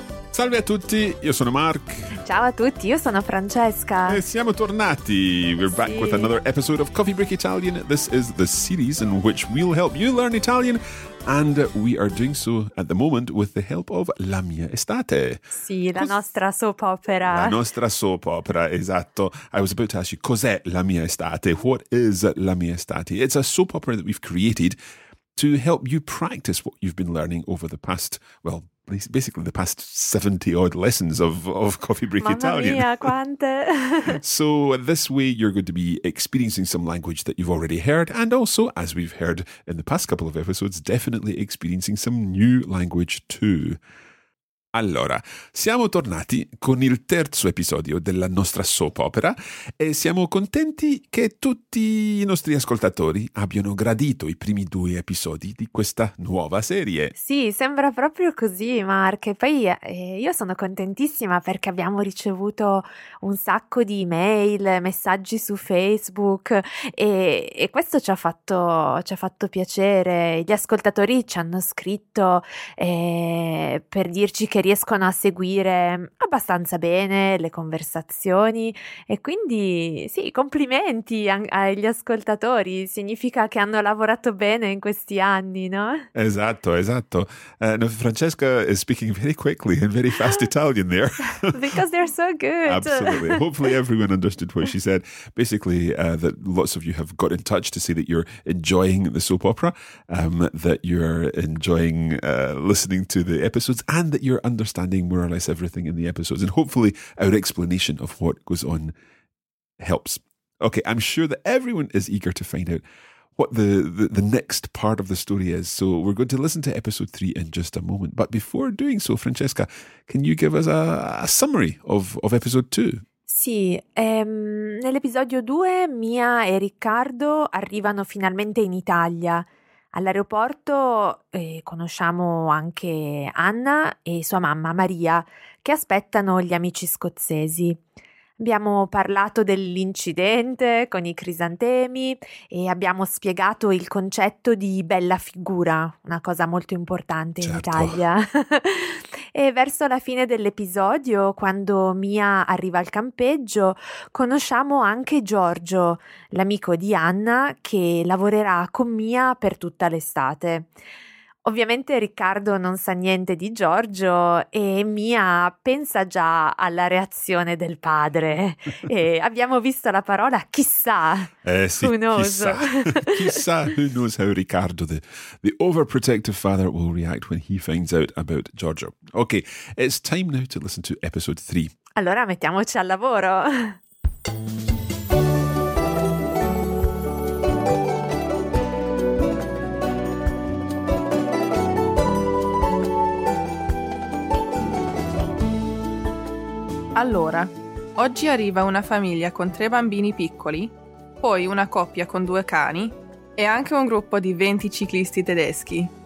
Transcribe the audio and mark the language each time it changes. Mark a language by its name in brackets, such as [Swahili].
[Italian] Salve a tutti, io sono Mark. Ciao a tutti, io sono Francesca. E siamo tornati. [English] We're back with another episode of Coffee Break Italian. This is the series in which we'll help you learn Italian. And we are doing so at the moment with the help of La Mia Estate. [Italian] Sì, la nostra soap opera. La nostra soap opera, esatto. [English] I was about to ask you, [Italian] cos'è La Mia Estate? [English] What is La Mia Estate? It's a soap opera that we've created to help you practice what you've been learning over the past, well, basically the past 70-odd lessons of Coffee Break [Italian] Mamma Mamma mia, quante! [English] So this way you're going to be experiencing some language that you've already heard, and also, as we've heard in the past couple of episodes, definitely experiencing some new language too. [Italian] Allora, siamo tornati con il terzo episodio della nostra soap opera e siamo contenti che tutti i nostri ascoltatori abbiano gradito i primi due episodi di questa nuova serie. Sì, sembra proprio così, Mark. E poi io sono contentissima perché abbiamo ricevuto un sacco di email, messaggi su Facebook e questo ci ha fatto piacere. Gli ascoltatori ci hanno scritto per dirci che riescono a seguire abbastanza bene le conversazioni e quindi sì, complimenti agli ascoltatori, significa che hanno lavorato bene in questi anni, no? Esatto, esatto. [English] Francesca is speaking very quickly and very fast Italian there. Because they're so good. Absolutely. Hopefully everyone understood what she said. Basically, that lots of you have got in touch to say that you're enjoying the soap opera, that you're enjoying listening to the episodes and that you're understanding more or less everything in the episodes, and hopefully our explanation of what goes on helps. Okay, I'm sure that everyone is eager to find out what the next part of the story is, so we're going to listen to episode 3 in just a moment. But before doing so, Francesca, can you give us a summary of episode 2? [Italian] Sì, nell'episodio 2 Mia e Riccardo arrivano finalmente in Italia. All'aeroporto conosciamo anche Anna e sua mamma Maria, che aspettano gli amici scozzesi. Abbiamo parlato dell'incidente con i crisantemi e abbiamo spiegato il concetto di bella figura, una cosa molto importante certo. In Italia. E verso la fine dell'episodio, quando Mia arriva al campeggio, conosciamo anche Giorgio, l'amico di Anna, che lavorerà con Mia per tutta l'estate. Ovviamente Riccardo non sa niente di Giorgio e Mia pensa già alla reazione del padre. E abbiamo visto la parola chissà, [English] sì, who knows. Chissà, who knows how Riccardo, the overprotective father, will react when he finds out about Giorgio. Ok, it's time now to listen to episode 3. [Italian] Allora mettiamoci al lavoro. Allora, oggi arriva una famiglia con tre bambini piccoli, poi una coppia con due cani e anche un gruppo di 20 ciclisti tedeschi.